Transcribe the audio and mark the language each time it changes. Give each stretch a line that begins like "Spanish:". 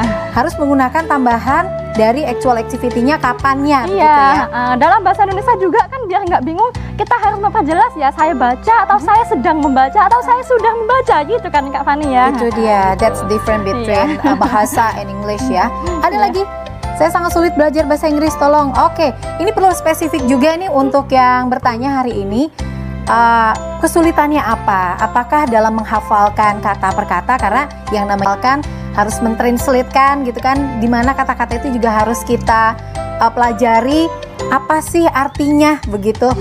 Indonesian: Harus menggunakan tambahan dari actual activity-nya, kapannya, begitu ya. Dalam bahasa Indonesia juga kan biar nggak bingung, kita harus memperjelas ya, saya baca atau saya sedang membaca atau saya sudah membaca, gitu kan Kak Fani ya. Itu dia,
English: that's different between bahasa and English ya.
Indonesian: Ada lagi, saya sangat sulit belajar bahasa Inggris, tolong. Ini perlu spesifik juga nih untuk yang bertanya hari ini. Kesulitannya apa? Apakah dalam menghafalkan kata per kata, karena yang namanya kan harus mentranslate kan gitu kan, di mana kata-kata itu juga harus kita pelajari apa sih artinya begitu.